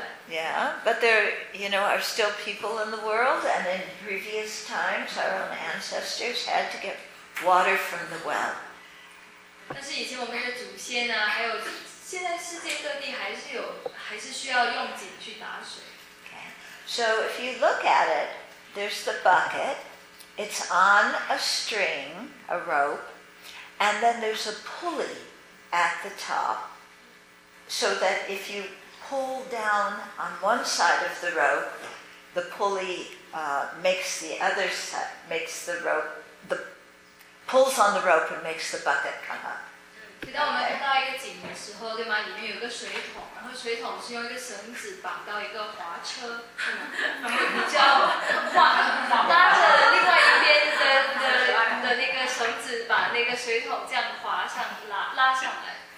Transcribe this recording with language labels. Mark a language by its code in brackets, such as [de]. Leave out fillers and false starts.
[en] Yeah, but there, you know, are still people in the world, and in previous times, our own ancestors had to get water from the well. [zh] 但是以前我们的祖先啊，还有现在世界各地还是需要用井去打水。 [en] Okay. So if you look at it, there's the bucket. It's on a string, a rope, and then there's a pulley at the top. So that if you pull down on one side of the rope, the pulley makes the rope, pulls on the rope and makes the bucket come up. [zh] 当我们看到一个井的时候，对吗？里面有个水桶，然后水桶是用一个绳子绑到一个滑车，对吗？然后你就拉着另外一边的那个绳子，把那个水桶这样滑上拉上来。